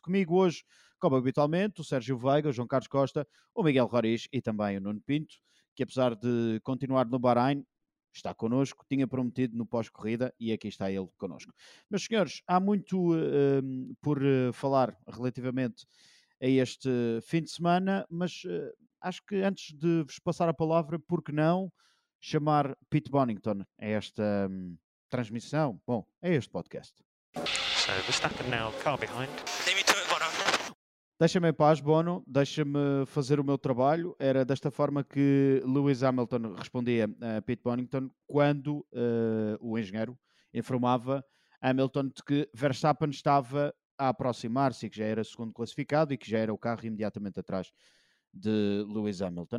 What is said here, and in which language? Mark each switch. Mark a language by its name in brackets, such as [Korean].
[Portuguese] Comigo hoje, como habitualmente, o Sérgio Veiga, o João Carlos Costa, o Miguel Roriz e também o Nuno Pinto, que apesar de continuar no Bahrein, está connosco, tinha prometido no pós-corrida e aqui está ele connosco. Meus senhores, há muito por falar relativamente a este fim de semana, mas acho que antes de vos passar a palavra, por que não chamar Pete Bonington a esta transmissão? Bom, a este podcast. [English] So, Verstappen now, car behind. Leave me to it, Bono. [Portuguese] Deixa-me em paz, Bono, deixa-me fazer o meu trabalho. Era desta forma que Lewis Hamilton respondia a Pete Bonington quando o engenheiro informava Hamilton de que Verstappen estava a aproximar-se e que já era segundo classificado e que já era o carro imediatamente atrás de Lewis Hamilton.